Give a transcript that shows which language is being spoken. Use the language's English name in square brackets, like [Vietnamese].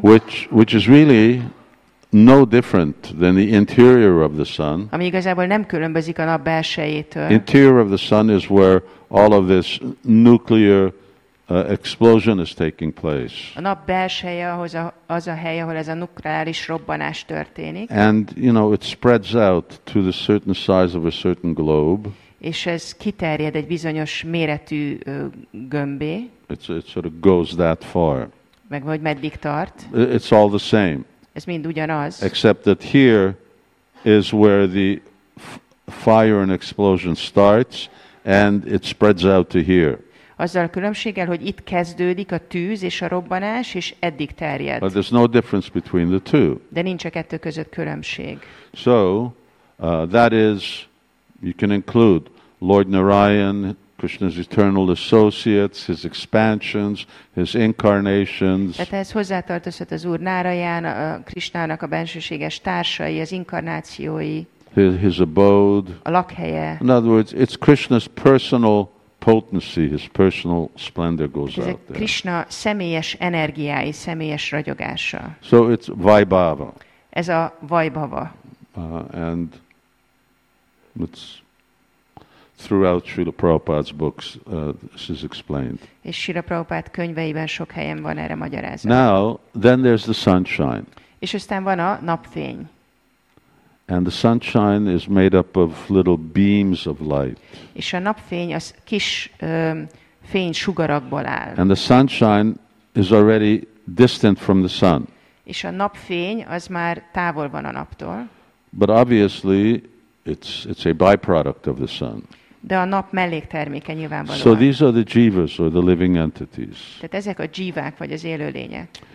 [English] Which is really no different than the interior of the sun. [Hungarian] Ami igazából nem különbözik a nap belsejétől. [English] Interior of the sun is where all of this nuclear explosion is taking place. [Hungarian] A nap belseje az a hely, ahol ez a nukleáris robbanás történik. [English] And you know, it spreads out to the certain size of a certain globe. [Hungarian] És ez kiterjed egy bizonyos méretű gömbé. [English] It sort of goes that far. [Hungarian] Meg vagy meddig tart? [English] It's all the same. [Hungarian] Ez mind ugyanaz. [English] Except that here is where the fire and explosion starts, and it spreads out to here. [Hungarian] Azzal a különbséggel, hogy itt kezdődik a tűz és a robbanás, és eddig terjed. [English] But there's no difference between the two. [Hungarian] De nincs a kettő között különbség. [English] So, that is, you can include Lord Narayan, Krishna's eternal associates, his expansions, his incarnations. [Hungarian] Tehát ez hozzátartozhat az Úr Narayan, a Krishnának a bensőséges társai, az inkarnációi. [English] His abode. [Hungarian] A lakhelye. [English] In other words, it's Krishna's personal potency, his personal splendor goes out there. [Hungarian] Krishna személyes energiái, személyes ragyogása. [English] So it's Vaibhava. [Hungarian] Ez a Vaibhava. [English] And it's throughout Srila Prabhupada's books this is explained. [Hungarian] És Srila Prabhupada könyveiben sok helyen van erre magyarázat. [English] Now, then there's the sunshine. [Hungarian] És aztán van a napfény. [English] And the sunshine is made up of little beams of light. [Hungarian] És a napfény az kis fény sugarakból áll. [English] And the sunshine is already distant from the sun. [Hungarian] És a napfény az már távol van a naptól. [English] But obviously it's a byproduct of the sun. [Hungarian] De a nap mellékterméke nyilvánvalóan. [English] So these are the jivas or the living entities. [Hungarian] Tehát ezek a jivák vagy az élőlények.